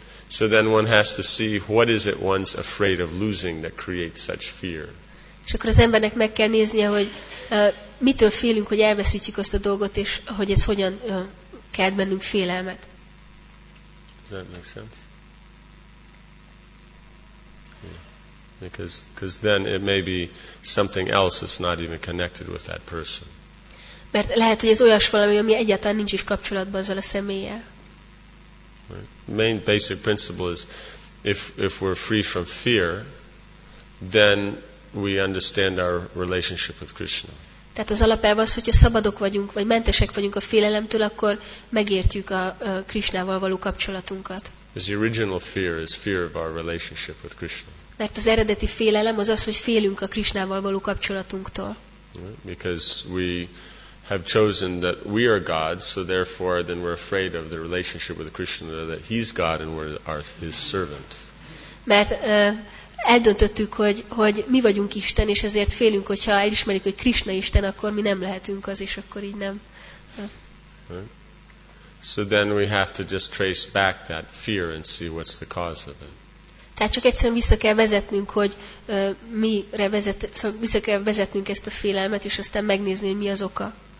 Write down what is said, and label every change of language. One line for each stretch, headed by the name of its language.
English: So then one has to see what is it one's afraid of losing that creates such fear.
Hungarian: És akkor az embernek meg kell néznie, hogy mitől félünk, hogy elveszítjük azt a dolgot, és hogy ez hogyan kelt bennünk félelmet.
English: Does that make sense? Yeah. Because then it may be something else that's not even connected with that person.
Hungarian: Mert lehet, hogy ez olyas valami, ami egyáltalán nincs is kapcsolatban azzal a személlyel.
English: The main basic principle is if we're free from fear, then we understand our relationship with Krishna.
Hungarian: Tehát az alapelv az, hogyha szabadok vagyunk, vagy mentesek vagyunk a félelemtől, akkor megértjük a Krishnával való kapcsolatunkat.
English: The original fear is fear of our relationship with Krishna.
Hungarian: Mert az eredeti félelem az, hogy félünk a Krishnával való kapcsolatunktól.
English: Because we have chosen that we are God, so therefore then we're afraid of the relationship with Krishna, that he's God and we're his servant.
Hungarian: Mert eldöntöttük, hogy mi vagyunk Isten, és ezért félünk, hogyha elismerik, hogy Krishna Isten, akkor mi nem lehetünk az, és akkor így nem.
English: So then we have to just trace back that fear and see what's the cause of it.
Hungarian: Tehát csak egyszerűen vissza kell vezetnünk, hogy mire vezet, szóval vissza kell vezetnünk ezt a félelmet, és aztán megnézni, hogy mi az oka.